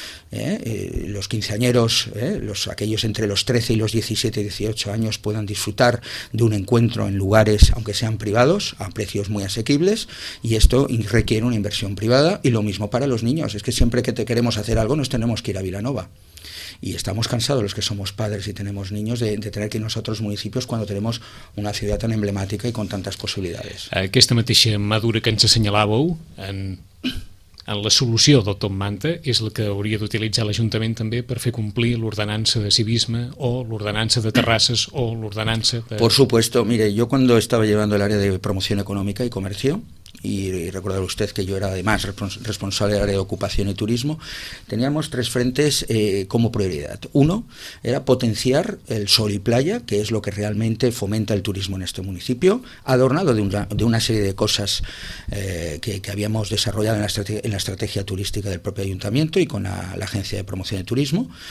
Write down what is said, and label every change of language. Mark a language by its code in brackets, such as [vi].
[es] Los quinceañeros, aquellos entre los 13 y los 17, 18 años puedan disfrutar de un encuentro en lugares, aunque sean privados, a precios muy asequibles, y esto requiere una inversión privada, y lo mismo para los niños. Es que siempre que queremos hacer algo nos tenemos que ir a Vilanova. Y estamos cansados los que somos padres y tenemos niños de tener que irnos a otros municipios cuando tenemos una ciudad tan emblemática y con tantas posibilidades. [ca] Aquesta mateixa madura que ens assenyalàveu en la solució del Tom Manta és la que hauria d'utilitzar l'Ajuntament també per fer complir l'ordenança de civisme o l'ordenança de terrasses o l'ordenança de... [es] Por supuesto, mire, yo cuando estaba llevando el área de promoción económica y comercio, y recordar usted que yo era además responsable del área de ocupación y turismo, teníamos tres frentes como prioridad. Uno era potenciar el sol y playa, que es lo que realmente fomenta el turismo en este municipio, adornado de una serie de cosas que habíamos desarrollado en la estrategia turística del propio ayuntamiento y con la Agencia de Promoción de Turismo.